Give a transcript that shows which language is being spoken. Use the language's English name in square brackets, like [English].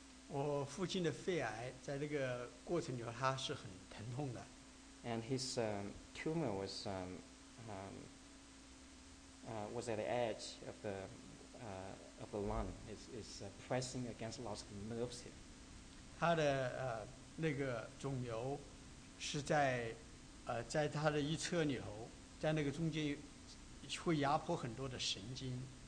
[Chinese] 我父亲的肺癌在这个过程里头他是很疼痛的。 [English] And his tumor was was at the edge of the lung. It's pressing against lots of nerves here. [Chinese] 他的那个肿瘤是在在他的一侧里头。在那个中间会压迫很多的神经。